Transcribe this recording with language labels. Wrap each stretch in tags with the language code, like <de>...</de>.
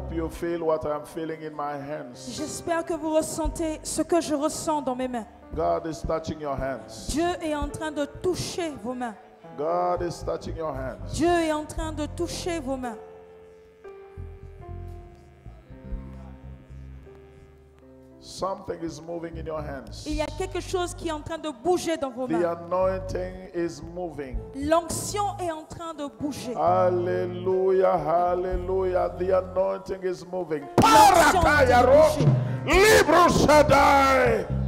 <en>Feel what I'm feeling in my hands.</en> <fr>J'espère que vous ressentez ce que je ressens dans mes mains.</fr> <en>God is touching your hands.</en> <fr>Dieu est en train de toucher vos mains.</fr> <en>God is touching your hands.</en> <fr>Dieu est en train de toucher vos mains.</fr> <en>Something is moving in your hands.</en> <fr>Il y a quelque chose qui est en train de bouger dans vos mains.</fr> <en>The anointing is moving.</en> <fr>L'onction est en train de bouger.</fr> <en>Hallelujah, hallelujah. The anointing is moving. Parakayaro, libro shadai.</en>